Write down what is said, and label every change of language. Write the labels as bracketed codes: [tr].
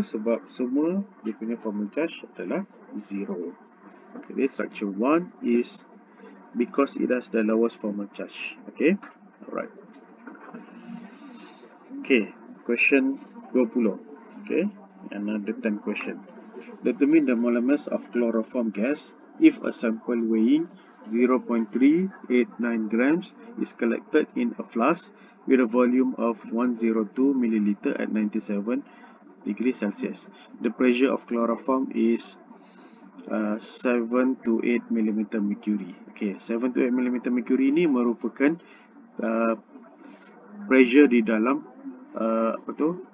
[ms] Sebab semua dia punya formal charge adalah 0. [en] Jadi structure 1 is because it has the lowest formal charge. Okay, alright. Okay, question 20. Okay, another 10 question. Determine the molar mass of chloroform gas if a sample weighing 0.389 grams is collected in a flask with a volume of 102 milliliter at 97 degrees Celsius. The pressure of chloroform is 7 to 8 millimeter mercury. Okay, 7 to 8 millimeter mercury [ms] ini merupakan pressure di dalam apa tu?